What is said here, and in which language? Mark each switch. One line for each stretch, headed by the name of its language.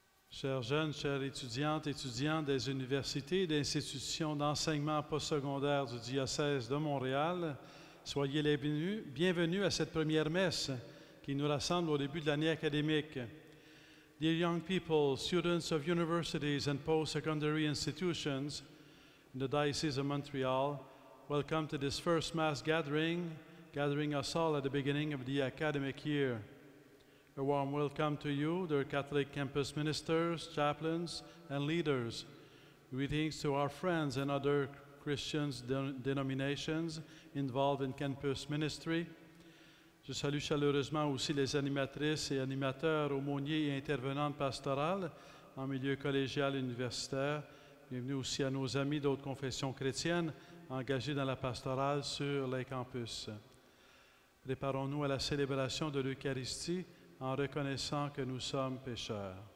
French: Chers jeunes, chères étudiantes, étudiants des universités et d'institutions d'enseignement postsecondaire du diocèse de Montréal, soyez les bienvenus à cette première messe qui nous rassemble au début de l'année académique.
English: Dear young people, students of universities and post-secondary institutions in the Diocese of Montreal, welcome to this first Mass gathering, gathering us all at the beginning of the academic year. A warm welcome to you, dear Catholic campus ministers, chaplains, and leaders. Greetings to our friends and other Christian denominations involved in campus ministry.
French: Je salue chaleureusement aussi les animatrices et animateurs, aumôniers et intervenantes pastorales en milieu collégial et universitaire. Bienvenue aussi à nos amis d'autres confessions chrétiennes engagés dans la pastorale sur les campus. Préparons-nous à la célébration de l'Eucharistie en reconnaissant que nous sommes pécheurs.